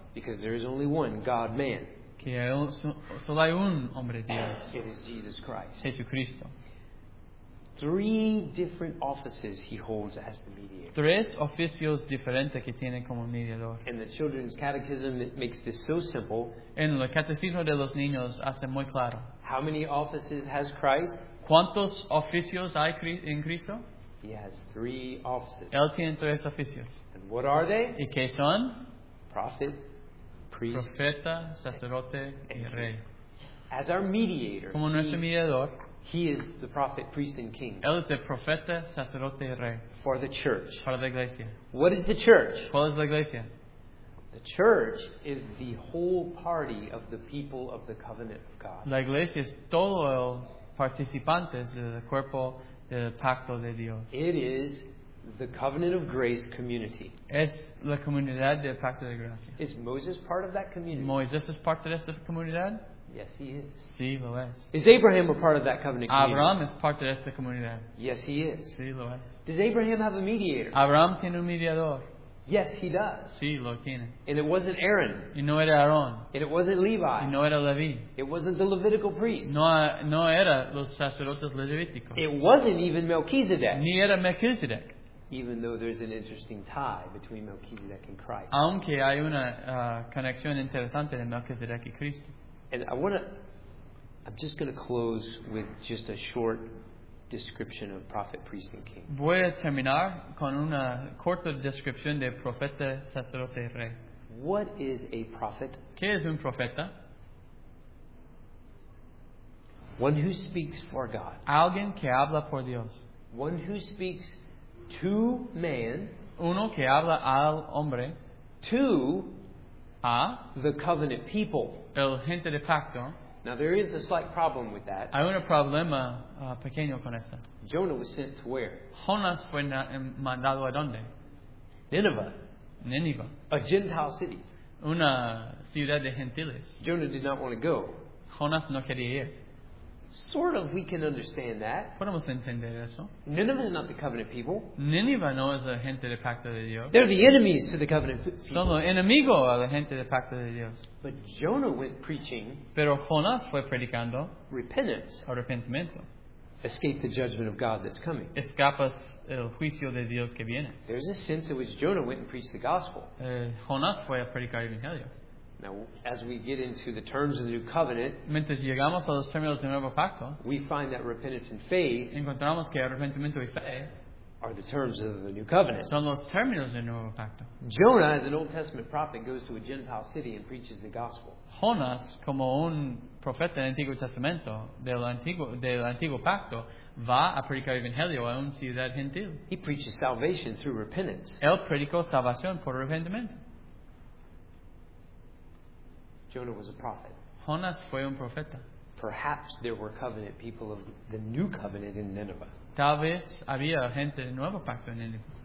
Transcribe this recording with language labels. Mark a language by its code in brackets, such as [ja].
[en] Because there is only one God man. [es] Que solo hay un hombre Dios. [en] It is Jesus Christ. [es] Jesucristo. [en] Three different offices he holds as the mediator. [es] Tres oficios diferentes que tiene como mediador. [en] In the children's catechism, it makes this so simple. [es] En el catecismo de los niños hace muy claro. [en] How many offices has Christ? [es] ¿Cuántos oficios hay en Cristo? [en] He has three offices. [es] Él tiene tres oficios. [en] And what are they? [es] ¿Y qué son? [en] Prophet, priest, [es] profeta, sacerdote, y rey. [en] As our mediator, [es] como nuestro mediador, [en] he is the prophet, priest, and king. [es] Él es el profeta, sacerdote y rey. [en] For the church. [es] Para la iglesia. [en] What is the church? [es] ¿Cuál es la iglesia? [en] The church is the whole party of the people of the covenant of God. [es] La iglesia es todo el participante del cuerpo del pacto de Dios. [en] It is the covenant of grace community. [es] Es la comunidad del pacto de gracia. [en] Is Moses part of that community? [es] ¿Moisés es parte de esta comunidad? [en] Yes, he is. [es] Sí, lo es. [en] Is Abraham a part of that covenant community? [es] Abraham es parte de esta comunidad. [en] Yes, he is. [es] Sí, lo es. [en] Does Abraham have a mediator? [es] Abraham tiene un mediador. [en] Yes, he does. [es] Sí, lo tiene. [en] And it wasn't Aaron. [es] Y no era Aarón. [en] And it wasn't Levi. [es] Y no era Leví. [en] It wasn't the Levitical priest. [es] No era los sacerdotes levíticos. [en] It wasn't even Melchizedek. [es] Ni era Melchizedek. [en] Even though there's an interesting tie between Melchizedek and Christ. [es] Aunque hay una conexión interesante de Melchizedek y Cristo. [en] And I'm just going to close with just a short description of prophet, priest, and king. [es] Voy a terminar con una corta descripción de profeta, sacerdote y rey. [en] What is a prophet? [es] ¿Qué es un profeta? [en] One who speaks for God. [es] Alguien que habla por Dios. [en] One who speaks to man. [es] Uno que habla al hombre. [en] To a the covenant people. [es] El gente de pacto. [en] Now there is a slight problem with that. [es] Hay un problema pequeño con esto. [en] Jonah was sent to where? [es] Jonas fue mandado a dónde? [en] Nineveh. [es] Nineveh. [en] A Gentile city. [es] Una ciudad de gentiles. [en] Jonah did not want to go. [es] Jonas no quería ir. [en] Sort of, we can understand that. [es] Podemos entender eso. [en] Nineveh is not the covenant people. [es] Nineveh no es la gente del pacto de Dios. [en] They're the enemies to the covenant people. [es] Son los enemigos a la gente del pacto de Dios. [en] But Jonah went preaching. [es] Pero Jonas fue predicando. [en] Repentance. [es] Arrepentimiento. [en] Escape the judgment of God that's coming. [es] Escapas el juicio de Dios que viene. [en] There's a sense in which Jonah went and preached the gospel. [es] Jonas fue a predicar el evangelio. [en] Now, as we get into the terms of the new covenant, [es] mientras llegamos a los términos del nuevo pacto, [en] we find that repentance and faith, [es] encontramos que arrepentimiento y fe, [en] are the terms of the new covenant. [es] Son los términos del nuevo pacto. [en] Jonah, as an Old Testament prophet, goes to a Gentile city and preaches the gospel. [es] Jonas, como un profeta del Antiguo Testamento, del antiguo pacto, va a predicar el evangelio a una ciudad gentil. [en] He preaches salvation through repentance. [es] Él predicó salvación por arrepentimiento. [en] Jonah was a prophet. [es] Jonas fue un profeta. [en] Perhaps there were covenant people of the new covenant in Nineveh. [es] Tal vez había gente del nuevo pacto en Nineveh.